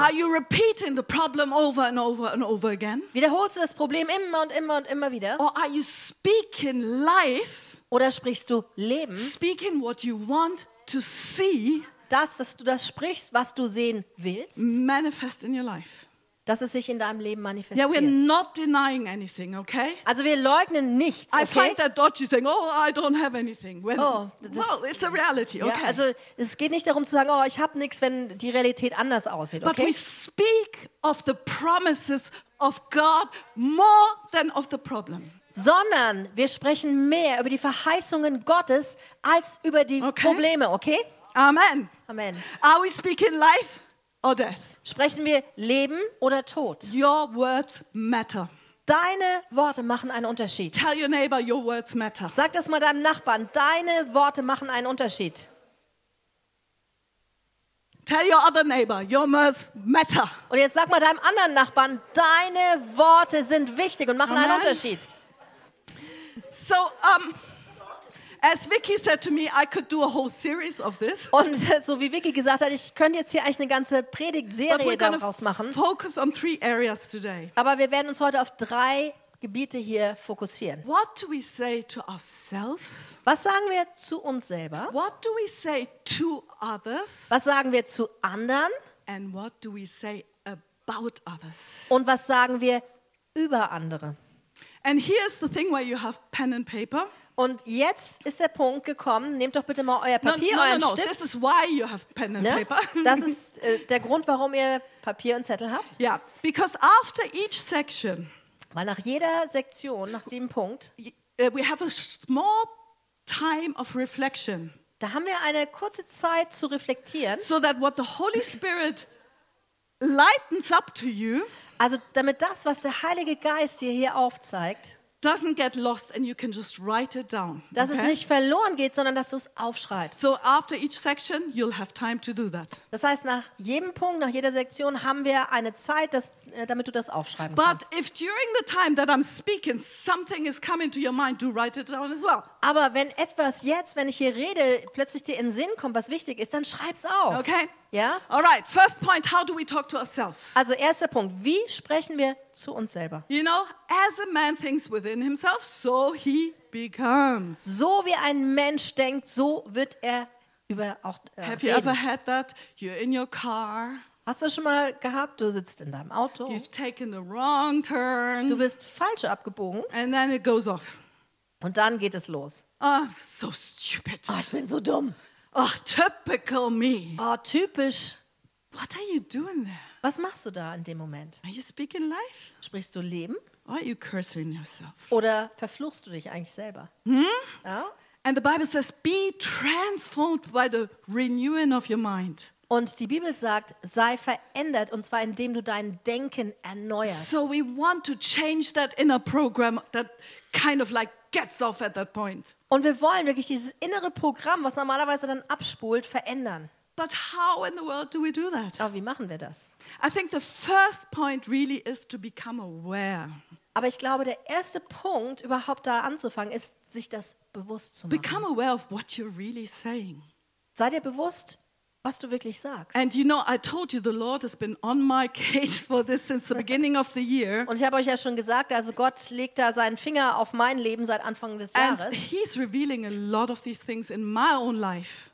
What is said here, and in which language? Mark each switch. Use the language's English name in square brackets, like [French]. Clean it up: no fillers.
[English] Are you repeating the problem over and over and over again? [German] Wiederholst du das Problem immer und immer und immer wieder? [English] Or are you speaking life? [German] Oder sprichst du Leben? [English] Speaking what you want to see? [German] Das, dass du das sprichst, was du sehen willst? [English] Manifest in your life. [German] Dass es sich in deinem Leben manifestiert. [English] Yeah, we're not denying anything, okay? [German] Also wir leugnen nichts, okay? [English] I find that dodgy thing, oh, I don't have anything. When, oh, well, it's a reality, okay? [German] Ja, also es geht nicht darum zu sagen, oh, ich habe nichts, wenn die Realität anders aussieht, okay? [English] But we speak of the promises of God more than of the problem. [German] Sondern wir sprechen mehr über die Verheißungen Gottes als über die Probleme, okay? [English] Amen. [German] Amen. [English] Are we speaking life or death? [German] Sprechen wir Leben oder Tod? [English] Your words matter. [German] Deine Worte machen einen Unterschied. [English] Tell your neighbor, your words matter. [German] Sag das mal deinem Nachbarn. Deine Worte machen einen Unterschied. [English] Tell your other neighbor, your words matter. [German] Und jetzt sag mal deinem anderen Nachbarn, deine Worte sind wichtig und machen einen Unterschied. [English] So, as Vicky said to me, I could do a whole series of this. [German] Und so wie Vicky gesagt hat, ich könnte jetzt hier eigentlich eine ganze Predigtserie daraus machen. [English] Focus on three areas today. [German] Aber wir werden uns heute auf drei Gebiete hier fokussieren. [English] What do we say to ourselves? [German] Was sagen wir zu uns selber? [English] What do we say to others? [German] Was sagen wir zu anderen? [English] And what do we say about others? [German] Und was sagen wir über andere? [English] And here's the thing where you have pen and paper. [German] Und jetzt ist der Punkt gekommen, nehmt doch bitte mal euer Papier, euren Stift. [English] This is why you have pen and paper. [German] Das ist der Grund, warum ihr Papier und Zettel habt. [English] Yeah, because after each section. [German] Weil nach jeder Sektion, nach 7 Punkt, [English] we have a small time of reflection. [German] Da haben wir eine kurze Zeit zu reflektieren. [English] So that what the Holy Spirit lightens up to you. [German] Also damit das, was der Heilige Geist dir hier aufzeigt, [English] doesn't get lost and you can just write it down. Okay? [German] Dass es nicht verloren geht, sondern dass du es aufschreibst. [English] So after each section you'll have time to do that. [German] Das heißt, nach jedem Punkt, nach jeder Sektion haben wir eine Zeit, damit du das aufschreiben [English] but [German] kannst. [English] But if during the time that I'm speaking something is coming to your mind, do write it down as well. [German] Aber wenn etwas jetzt, wenn ich hier rede, plötzlich dir in Sinn kommt, was wichtig ist, dann schreib's auf. [English] Okay? [German] Ja? [English] All right, first point, how do we talk to ourselves? [German] Also erster Punkt, wie sprechen wir zu uns selber? [English] You know, as a man thinks within himself, so he becomes. [German] So wie ein Mensch denkt, so wird er über auch [English] have you ever had that? You're in your car. [German] Hast du schon mal gehabt, du sitzt in deinem Auto. [English] You've taken the wrong turn. [German] Du bist falsch abgebogen. [English] And then it goes off. [German] Und dann geht es los. [English] Oh, so stupid. [German] Oh, ich bin so dumm. [English] Oh, typical me. [German] Oh, typisch. [English] What are you doing there? [German] Was machst du da in dem Moment? [English] Are you speaking life? [German] Sprichst du Leben? [English] Or are you cursing yourself? [German] Oder verfluchst du dich eigentlich selber? Hm? Ja? [English] And the Bible says, be transformed by the renewing of your mind. [German] Und die Bibel sagt, sei verändert, und zwar indem du dein Denken erneuerst. [English] So we want to change that inner program that kind of like gets off at that point. [German] Und wir wollen wirklich dieses innere Programm, was normalerweise dann abspult, verändern. [English] But how in the world do we do that? [German] Aber wie machen wir das? [English] I think the first point really is to become aware. [German] Aber ich glaube, der erste Punkt, überhaupt da anzufangen, ist, sich das bewusst zu machen. [English] Become aware of what you're really saying. [German] Sei dir bewusst, was du wirklich sagst. [English] And you know, I told you the Lord has been on my case for this since the beginning of the year. [German] Und ich habe euch ja schon gesagt, also Gott legt da seinen Finger auf mein Leben seit Anfang des Jahres. [English] And he's revealing a lot of these things in my own life.